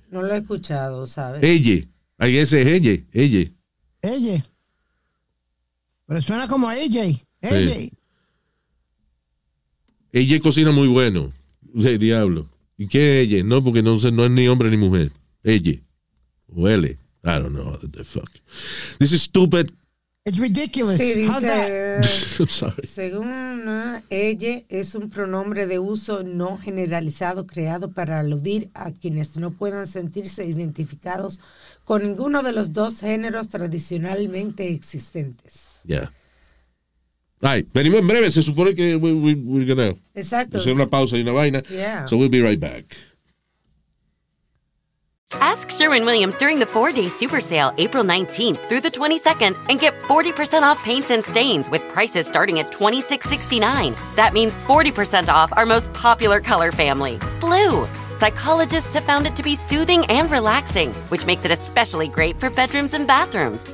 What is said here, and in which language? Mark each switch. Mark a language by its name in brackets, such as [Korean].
[Spanish] No lo he escuchado, ¿sabes? Elle. Ahí ese es elle. Elle. Elle. Pero suena como elle. Elle cocina muy bueno. O sea, diablo. ¿Y qué es elle? No, porque no es ni hombre ni mujer. [English] Elle. O L. I don't know what the fuck. This is stupid. It's ridiculous. [Spanish] Sí, dice, [English] how's that? I'm sorry. [Spanish] Según ella, es un pronombre de uso no generalizado creado para aludir a quienes no puedan sentirse identificados con ninguno de los dos géneros tradicionalmente existentes. [English] Yeah. Right. [Spanish] Venimos en breve, se supone que [English] we're gonna [Spanish] hacer una pausa y una vaina. [English] Yeah. So we'll be right back. Ask Sherwin-Williams during the 4-day super sale April 19th through the 22nd and get 40% off paints and stains with prices starting at $26.69. That means 40% off our most popular color family, blue. Psychologists have found it to be soothing and relaxing, which makes it especially great for bedrooms and bathrooms.